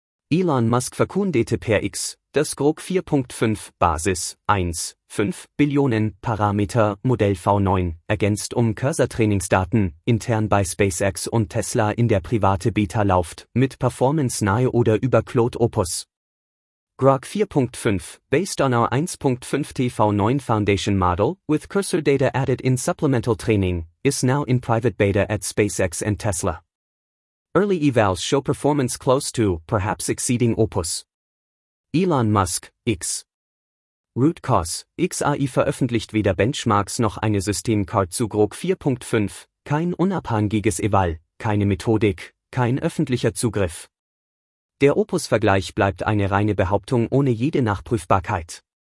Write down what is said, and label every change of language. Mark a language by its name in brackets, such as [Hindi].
[German] Elon Musk verkündete per X, dass Grok 4.5 Basis 1.5 Billionen Parameter Modell V9 ergänzt um Cursor-Trainingsdaten intern bei SpaceX und Tesla in der private Beta läuft, mit Performance nahe oder über Claude Opus. [English] Grok 4.5, based on our 1.5 TV9 Foundation model, with cursor data added in supplemental training, is now in private beta at SpaceX and Tesla. Early evals show performance close to, perhaps exceeding Opus. [German] Elon Musk, X. Root cause, XAI veröffentlicht weder Benchmarks noch eine Systemcard zu Grok 4.5, kein unabhängiges Eval, keine Methodik, kein öffentlicher Zugriff. Der Opus-Vergleich bleibt eine reine Behauptung ohne jede Nachprüfbarkeit.